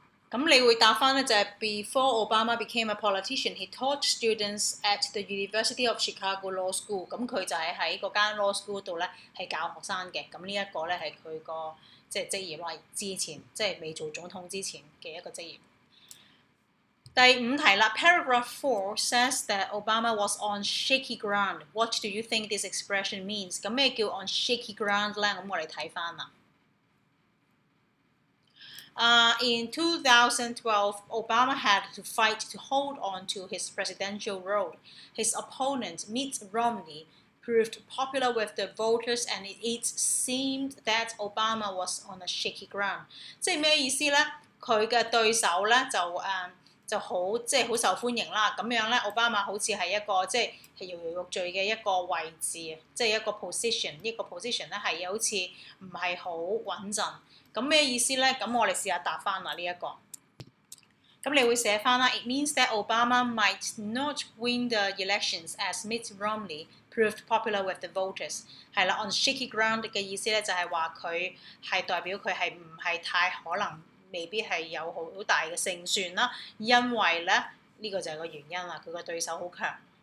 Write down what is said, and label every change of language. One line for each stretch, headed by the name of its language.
Cantonese: 咁你會答翻咧，就係
English: Before Obama became a politician， he taught students at the University of Chicago Law School。
Cantonese: 咁佢就係喺嗰間 law school 度咧，係教學生嘅。咁呢一個咧係佢個即係職業啦。之前即係未做總統之前嘅一個職業。第五題啦
English: ，Paragraph 4 says that Obama was on shaky ground. What do you think this expression means？
Cantonese: 咁咩叫
English: on shaky ground
Cantonese: 咧？咁我哋睇翻啦。
English: In 2012, Obama had to fight to hold on to his presidential role. His opponent Mitt Romney proved popular with the voters, and it seemed that Obama was on a shaky ground.
Cantonese: 即係咩意思咧？佢嘅對手咧就就好，即係好受歡迎啦。咁樣咧，奧巴馬好似係一個即係搖搖欲墜嘅一個位置，即係一個 position， 一個 position 咧係好似唔係好穩陣。咁咩意思咧？咁我哋試下答翻啦呢一個。咁你會寫翻啦
English: ，It means that Obama might not win the elections as Mitt Romney proved popular with the voters。
Cantonese: 係啦 ，
English: on shaky ground
Cantonese: 嘅意思咧就係話佢係代表佢係唔係太可能。未必係有好大嘅勝算啦，因為咧呢個就係個原因啦，佢個對手好強。